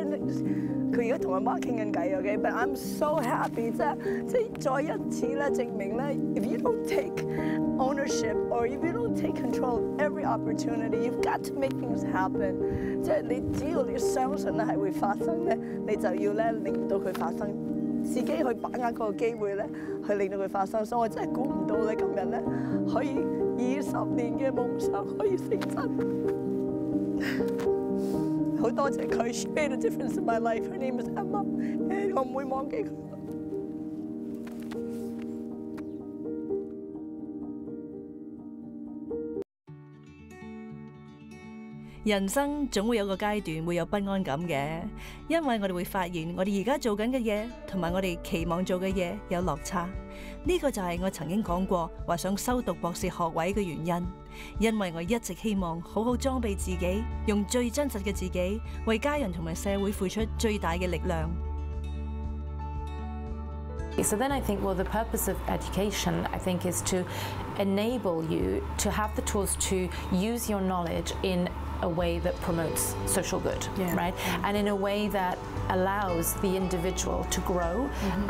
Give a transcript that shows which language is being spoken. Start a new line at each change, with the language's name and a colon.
Cantonese: And 佢而家同我媽傾緊偈 ，OK？
English: But I'm so happy，
Cantonese: 即係再一次咧證明咧
English: ，if you don't take ownership or if you don't take control of every opportunity， you've got to make things happen。
Cantonese: 即係你只要你相信咧係會發生咧，你就要咧令到佢發生。自己去把握嗰個機會咧，去令到佢發生，所以我真係估唔到咧，今日咧可以20年嘅夢想可以成真。好多謝佢
English: ，She made a difference in my life. Her name is Emma，
Cantonese: 我唔會忘記佢。人生总会有个阶段会有不安感嘅，因为我哋会发现我哋而家做紧嘅嘢同埋我哋期望做嘅嘢有落差。呢个就系我曾经讲过话想修读博士学位嘅原因，因为我一直希望好好装备自己，用最真实嘅自己为家人同埋社会付出最大嘅力量。
English: So then I think, well, the purpose of education, I think, is to enable you to have the tools to use your knowledge in a way that promotes social good, yeah. right? Mm-hmm. And in a way that allows the individual to grow mm-hmm.